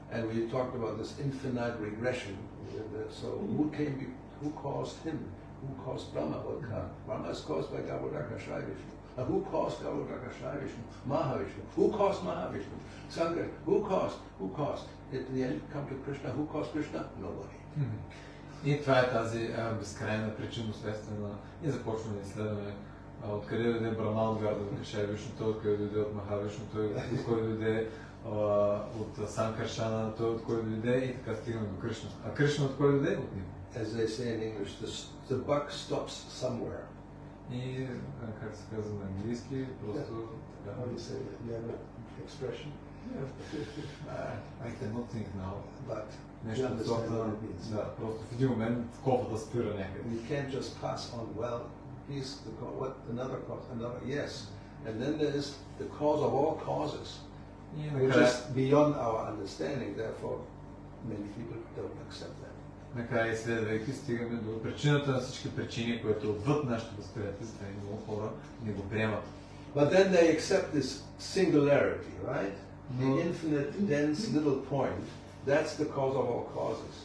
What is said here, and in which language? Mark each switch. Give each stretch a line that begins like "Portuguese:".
English: And we talked about this infinite regression. So who caused him? Who caused Brahma? Brahma is caused by Garbhagraha Shri Vishnu. Who caused Garbhagraha Shri Vishnu? Mahavishnu. Who caused Mahavishnu? Sangha. Who caused? Who caused? At the end come to Krishna. Who caused Krishna? Nobody.
Bulgarian: И това е тази безкрайна причинно-следствена и започваме изследване. Откъде дойде Брахма от Гардакаша и Вишното, откъде дойде от Махавишно, той от кой дойде от Санкаршана, той от кой дойде и така стигна до Кришна. А Кришна от кой дойде? От него.
English: As they say in English, the buck stops somewhere.
Bulgarian: И как се казва на английски, просто...
English: Yeah. How do you say that? Do you have an expression? I cannot think now. But
Bulgarian: нещо от това, да, просто в един момент в кофата спира някъде.
English: You can't just pass on well. He's the another cause, another, yes, And then there is the cause of all causes. Yeah, which is beyond our understanding, therefore many people don't accept that.
Bulgarian: Накрая изследвайки, стигаме до причината на всички причини, които отвъд нашето възприятие, за тези много хора не го приемат.
English: But then they accept this singularity, right? The infinite dense little point. That's the cause of all causes.